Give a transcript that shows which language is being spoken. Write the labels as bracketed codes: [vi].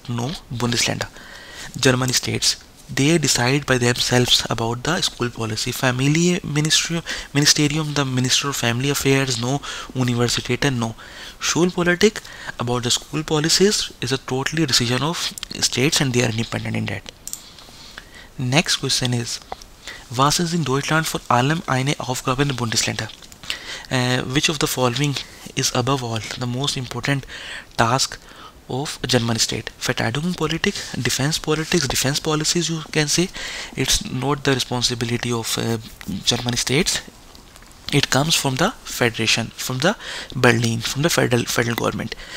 [en] No, Bundesländer, German states. They decide by themselves about the school policy. Family ministerium, the minister of family affairs? No. Universitäten? No. Schulpolitik, about the school policies, is a totally decision of states, and they are independent in that. Next question is, [de] was ist in Deutschland vor allem eine Aufgabe der Bundesländer? [en] Which of the following is above all the most important task of German state? Verteidigungspolitik, defense politics, defense policies, you can say. It's not the responsibility of German states. It comes from the federation, from the Berlin, from the federal government.